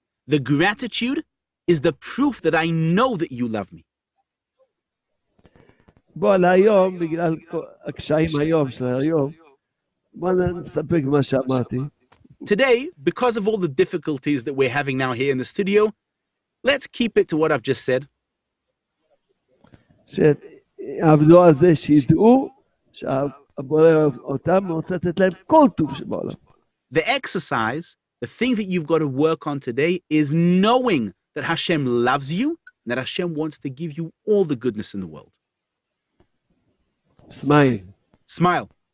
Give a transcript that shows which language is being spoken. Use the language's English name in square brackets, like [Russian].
[English] The gratitude is the proof that I know that you love me. [Hebrew] בוא, להיום, בגלל הקשיים היום של היום, בוא נספק מה שאמרתי. [English] Today, because of all the difficulties that we're having now here in the studio, let's keep it to what I've just said. [Hebrew] שעבדו על זה שידעו שהבורא אותם רוצה לתת להם כל טוב שבעולם. [English] The exercise, the thing that you've got to work on today is knowing that Hashem loves you, that Hashem wants to give you all the goodness in the world. Smile. Smile.